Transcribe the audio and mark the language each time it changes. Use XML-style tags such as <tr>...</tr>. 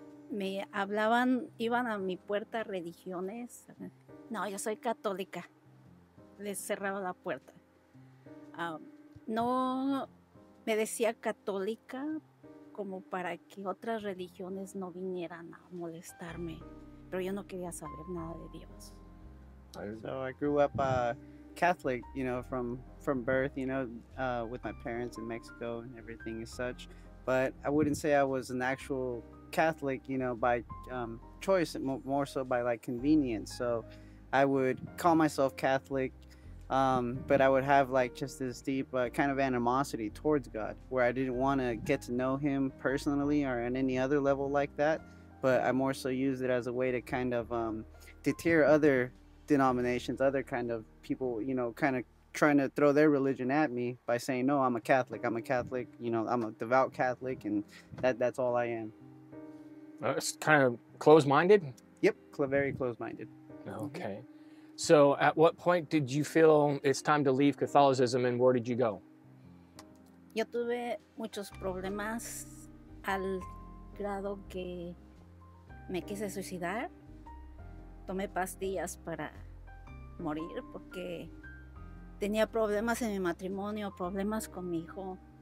<es>Me hablaban, iban a mi puerta religiones, no, yo soy católica, les cerraba la puerta. No me decía católica como para que otras religiones no vinieran a molestarme. Pero yo no quería saber nada de Dios.</es> <en>So I grew up Catholic, you know, from birth, you know, with my parents in Mexico and everything as such. But I wouldn't say I was an actual Catholic, you know, by choice, more so by like convenience. So I would call myself Catholic, but I would have like just this deep kind of animosity towards God, where I didn't want to get to know him personally or on any other level like that. But I more so used it as a way to kind of deter other denominations, other kind of people, you know, kind of trying to throw their religion at me by saying, no, I'm a Catholic, you know, I'm a devout Catholic, and that's all I am. It's kind of closed-minded? Yep, very closed-minded. Okay. So at what point did you feel it's time to leave Catholicism, and where did you go?</en> <es>Yo tuve muchos problemas al grado que me quise suicidar. Tomé pastillas para morir porque tenía problemas en mi matrimonio, problemas con mi hijo.</es>